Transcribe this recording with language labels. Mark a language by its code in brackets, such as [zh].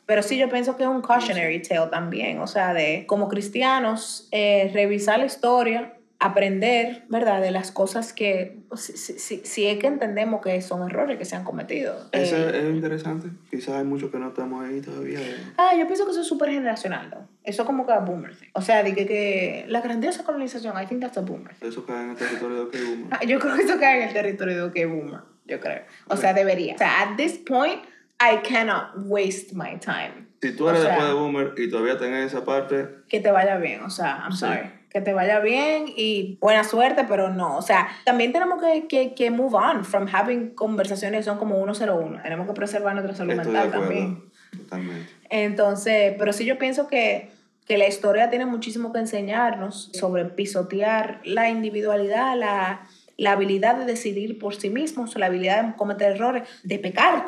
[es] Pero sí, yo pienso que es un cautionary tale también. O sea, de como cristianos, revisar la historia, aprender, ¿verdad?, de las cosas que, pues, si es que entendemos que son errores que se han cometido. Eso es interesante. Quizás hay muchos que no estamos ahí todavía. Yo pienso que eso es súper generacional, ¿no? Eso como que es boomer. O sea, dije que la grandiosa colonización, [en] I think that's a boomer. [es] Eso cae en el territorio de OK Boomer. Yo creo que eso cae en el territorio de OK Boomer, yo creo. O sea, debería. O sea, [en] at this point, I cannot waste my time. [es] Si tú eres después de boomer y todavía tenés esa parte... Que te vaya bien, o sea, [en] I'm sorry. [es] Que te vaya bien y buena suerte, pero no. O sea, también tenemos que [en] move on from having [es] conversaciones que son como 101. Tenemos que preservar nuestra salud mental también. Totalmente. Entonces, pero sí, yo pienso que la historia tiene muchísimo que enseñarnos sobre pisotear la individualidad, la habilidad de decidir por sí mismos, la habilidad de cometer errores, de pecar.